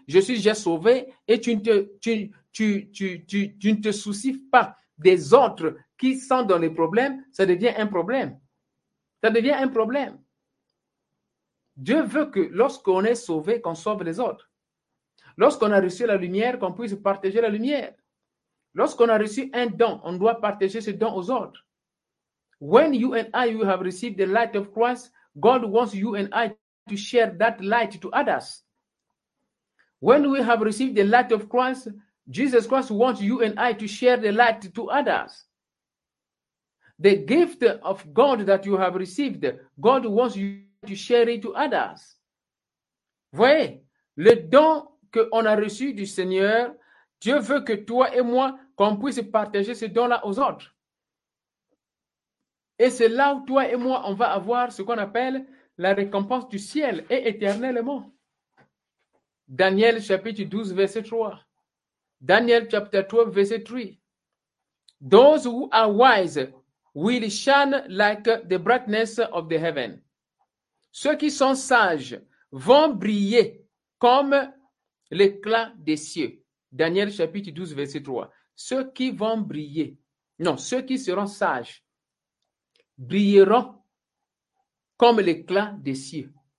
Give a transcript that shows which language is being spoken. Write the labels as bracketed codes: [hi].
[fr] Je suis déjà sauvé et tu ne te soucies pas des autres qui sont dans les problèmes. Ça devient un problème. Ça devient un problème. Dieu veut que lorsqu'on est sauvé, qu'on sauve les autres. Lorsqu'on a reçu la lumière, qu'on puisse partager la lumière. Lorsqu'on a reçu un don, on doit partager ce don aux autres. [en] When you and I you have received the light of Christ, God wants you and I to share that light to others. When we have received the light of Christ, Jesus Christ wants you and I to share the light to others. The gift of God that you have received, God wants you to share it to others. [fr] Voyez, le don qu'on a reçu du Seigneur, Dieu veut que toi et moi, qu'on puisse partager ce don-là aux autres. Et c'est là où toi et moi, on va avoir ce qu'on appelle la récompense du ciel et éternellement. Daniel chapitre 12, verset 3. Daniel chapitre 12, verset 3. [en] Those who are wise will shine like the brightness of the heaven. [fr] Ceux qui sont sages vont briller comme l'éclat des cieux. Daniel chapitre 12, verset 3. Ceux qui seront sages brilleront comme l'éclat des cieux.